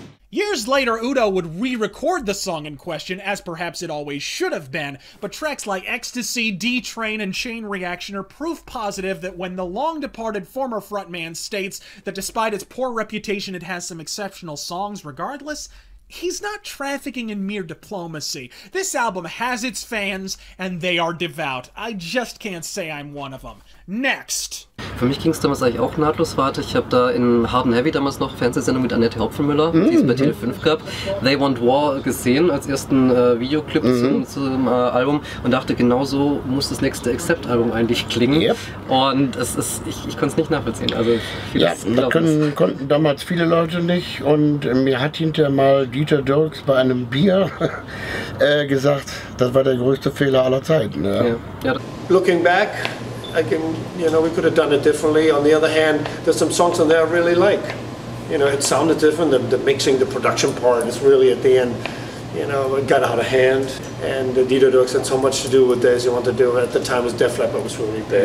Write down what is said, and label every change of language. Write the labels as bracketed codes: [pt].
[en] Years later, U.D.O. would re-record the song in question, as perhaps it always should have been, but tracks like Ecstasy, D-Train, and Chain Reaction are proof positive that when the long-departed former frontman states that despite its poor reputation it has some exceptional songs regardless, he's not trafficking in mere diplomacy. This album has its fans, and they are devout. I just can't say I'm one of them. Next! [de] Für mich ging es damals eigentlich auch nahtlos weiter. Ich habe da in Hard and Heavy damals noch Fernsehsendung mit Annette Hopfenmüller, die es bei Tele5 gab, They Want War gesehen als ersten Videoclip zum Album und dachte, genau so muss das nächste Accept-Album eigentlich klingen. [en] Yep. [de] Und es ist, ich konnte es nicht nachvollziehen. Also konnten damals viele Leute nicht. Und mir hat hinterher mal Dieter Dirks bei einem Bier gesagt, das war der größte Fehler aller Zeiten. Ja. Ja. [en] Looking back, I can, you know, we could have done it differently. On the other hand, there's some songs in there I really like. You know, it sounded different. The mixing, the production part is really at the end, you know, it got out of hand. And Dieter Dirks had so much to do with this, you want to do it. At the time, it was Def Leppard was really big,